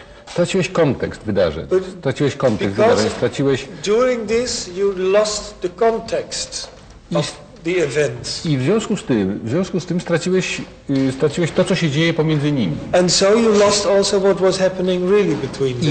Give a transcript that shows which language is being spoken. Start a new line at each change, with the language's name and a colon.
Polish: Straciłeś kontekst wydarzeń. Straciłeś kontekst wydarzeń. Straciłeś.
English: During this you lost the context of the events.
Polish: I w związku z tym straciłeś to, co się dzieje pomiędzy nimi.
English: And so you lost also what was happening really between them.